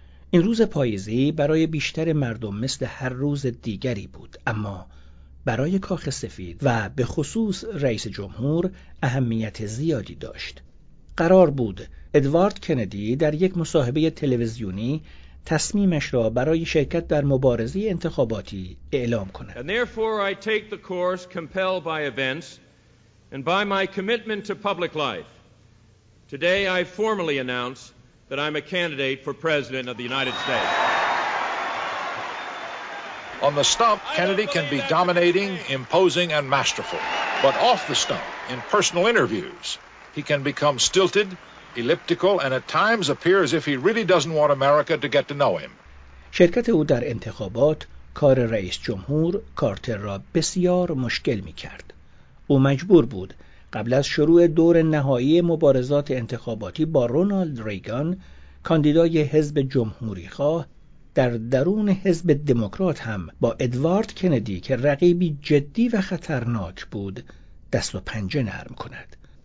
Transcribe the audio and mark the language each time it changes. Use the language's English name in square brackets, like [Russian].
[Persian] این روز پاییزی برای بیشتر مردم مثل هر روز دیگری بود، اما برای کاخ سفید و به خصوص رئیس جمهور اهمیت زیادی داشت. قرار بود ادوارد کندی در یک مصاحبه تلویزیونی تصمیمش را برای شرکت در مبارزه انتخاباتی اعلام کند. [English] And therefore I take the course compelled by events and by my commitment to public life. Today I formally announce that I'm a candidate for president of the United States. On the stump, Kennedy can be dominating, imposing and masterful. But off the stump, in personal interviews, he can become stilted, elliptical and at times appear as if he really doesn't want America to get to know him. [Persian] شرکت او در انتخابات کار رئیس جمهور کارتر را بسیار مشکل می‌کرد. او مجبور بود قبل از شروع دور نهایی مبارزات انتخاباتی با رونالد ریگان، کاندیدای حزب جمهوری خواه، در درون حزب دموکرات هم با ادوارد کندی که رقیبی جدی و خطرناک بود، دست و پنجه نرم کند.